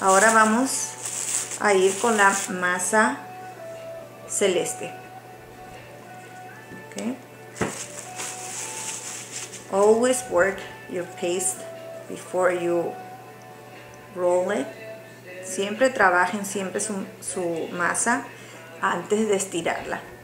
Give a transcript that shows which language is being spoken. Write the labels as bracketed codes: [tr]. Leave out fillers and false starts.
[es] Ahora vamos a ir con la masa celeste. [en] Okay. Always work your paste before you roll it. [es] Siempre trabajen siempre su masa antes de estirarla.